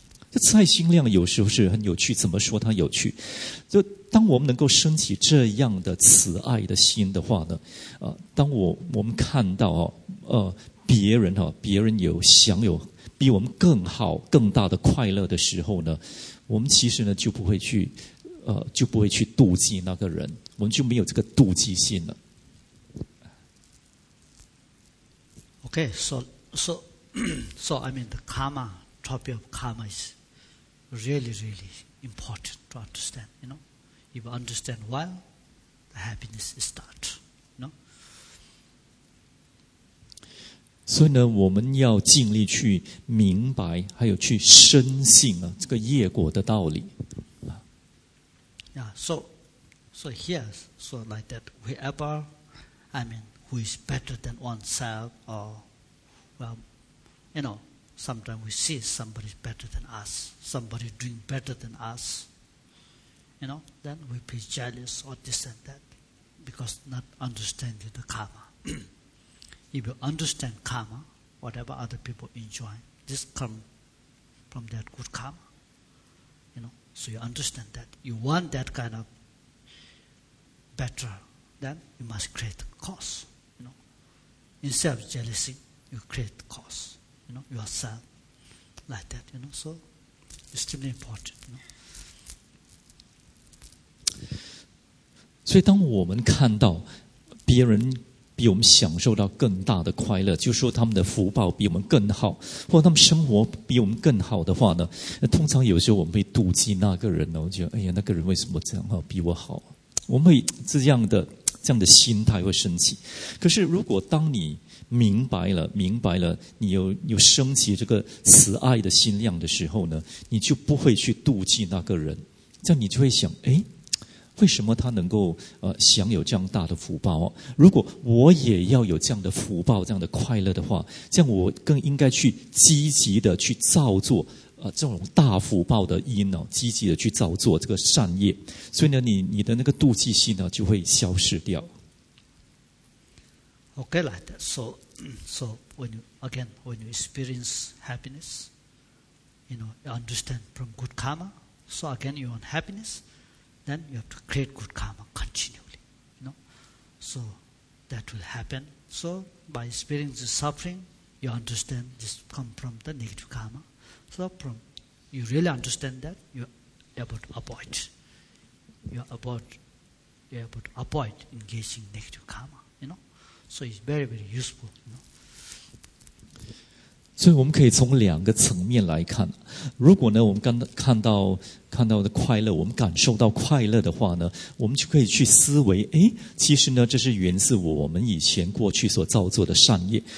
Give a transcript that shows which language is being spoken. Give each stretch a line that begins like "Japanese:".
Chinese: 这慈爱心量有时候是很有趣，怎么说它有趣？就当我们能够升起这样的慈爱的心的话呢，当我们看到别人有享有比我们更好、更大的快乐的时候呢，我们其实呢就不会去妒忌那个人，我们就没有这个妒忌心了。
English: Okay, so I mean the karma, topic of karma is really, really important to understand, you know. If you understand well, the happiness is start, you know.
Chinese: 所以呢，我们要尽力去明白，还有去深信啊，这个业果的道理。
English: Yeah, so here, so like that, whoever, I mean, who is better than oneself or... Well, you know, sometimes we see somebody better than us, somebody doing better than us, you know, then we be jealous or this and that because not understanding the karma. If you understand karma, whatever other people enjoy, this come from that good karma, you know, so you understand that. You want that kind of better, then you must create a cause, you know, instead of jealousy. You create cause, you know, yourself, like that, you know, so it's extremely important, you know.
Chinese: 所以当我们看到别人比我们享受到更大的快乐，就是说他们的福报比我们更好，或者他们生活比我们更好的话呢，通常有时候我们会妒忌那个人，我觉得哎呀，那个人为什么这样比我好，我们会这样的心态会升起。可是如果当你明白了，你有升起这个慈爱的心量的时候呢，你就不会去妒忌那个人，这样你就会想，哎，为什么他能够享有这样大的福报？如果我也要有这样的福报、这样的快乐的话，这样我更应该去积极的去造作这种大福报的因呢，积极的去造作这个善业。所以呢，你的那个妒忌心呢就会消失掉。
English: Okay, like that. So when you experience happiness, you know, you understand from good karma. So again, you want happiness, then you have to create good karma continually. You know, so that will happen. So by experiencing suffering, you understand this come from the negative karma. So from you really understand that you're able to avoid engaging negative karma. You know. So it's very, very useful. No?
Chinese: 所以我们可以从两个层面来看。如果呢，我们看到的快乐，我们感受到快乐的话呢，我们就可以去思维，哎，其实呢，这是源自我们以前过去所造作的善业。